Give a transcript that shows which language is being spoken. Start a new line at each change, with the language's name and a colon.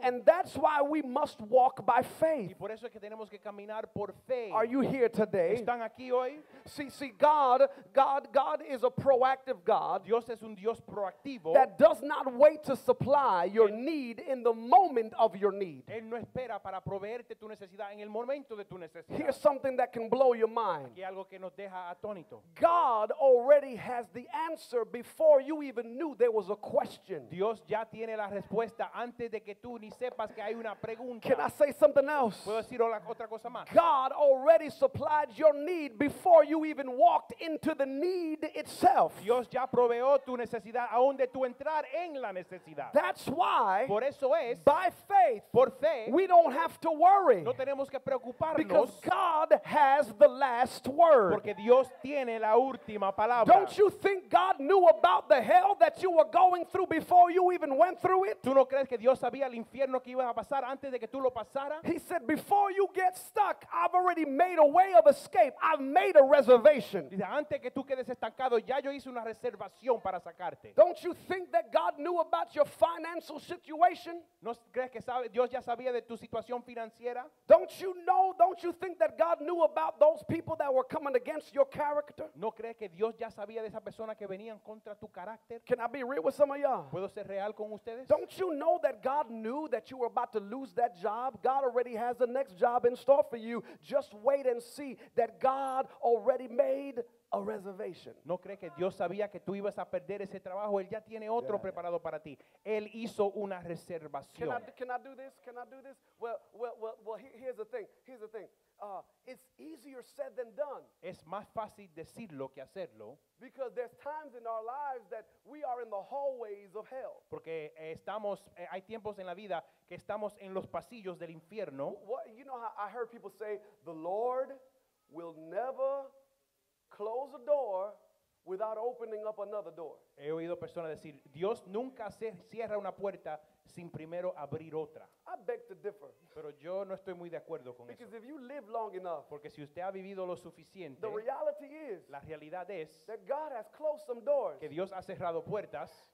English: And that's why we must walk by faith.
Spanish: Y por eso es que tenemos que caminar por fe.
English: Are you here today?
Spanish: ¿Están aquí hoy?
English: See, God is a proactive God.
Spanish: Dios es un Dios proactivo.
English: That does not wait to supply your need in the moment of your need.
Spanish: Él no espera para proveerte tu necesidad en el momento de tu necesidad.
English: Here's something that can blow your mind.
Spanish: Aquí algo que nos deja atónito.
English: God already has the answer before you even knew there was a question.
Spanish: Dios ya tiene la respuesta antes de que tú ni sepas que hay una pregunta.
English: Can I say something else?
Spanish: ¿Puedo decir otra cosa más?
English: God already supplied your need before you even walked into the need itself.
Spanish: Dios ya proveó tu necesidad aún de tu entrar en la necesidad.
English: That's why,
Spanish: por eso es,
English: by faith,
Spanish: por fe,
English: we don't have to worry.
Spanish: No tenemos que preocuparnos.
English: Because God has the last word.
Spanish: Porque Dios tiene la última palabra.
English: Don't you think God knew about the hell that you were going through before you even went through it?
Spanish: ¿Tú no crees que Dios sabía el infierno que ibas a pasar antes de que tú lo pasara?
English: He said, before you get stuck, I've already made a way of escape. I've made a reservation.
Spanish: Dice, antes que tú quedes estancado, ya yo hice una reservación para sacarte.
English: Don't you think that God knew about your financial situation?
Spanish: ¿No crees que sabe, Dios ya sabía de tu situación financiera?
English: Don't you know, don't you think that God knew about those people that were coming against your character?
Spanish: ¿No crees que Dios ya sabía de esa persona que venían contra tu carácter?
English: Can I be real with some of y'all?
Spanish: ¿Puedo ser real con ustedes?
English: Don't you know that God knew that you were about to lose that job? God already has the next job in store for you. Just wait and see that God already made a reservation.
Spanish: ¿No crees que Dios sabía que tú ibas a perder ese trabajo? Él ya tiene otro preparado para ti. Él hizo una reservación.
English: Can I do this? Well, here's the thing. It's easier said than done.
Spanish: Es más fácil decirlo que hacerlo.
English: Because there's times in our lives that we are in the hallways of hell.
Spanish: Porque estamos, hay tiempos en la vida que estamos en los pasillos del infierno.
English: What, you know how I heard people say, the Lord will never close a door without opening up another door.
Spanish: He oído personas decir, Dios nunca cierra una puerta sin primero abrir otra.
English: I beg to differ.
Spanish: Pero yo no estoy muy de acuerdo con
English: because
Spanish: eso.
English: If you live long enough,
Spanish: porque si usted ha vivido lo suficiente,
English: the reality is,
Spanish: la realidad es,
English: that God has closed some doors,
Spanish: que Dios ha cerrado puertas,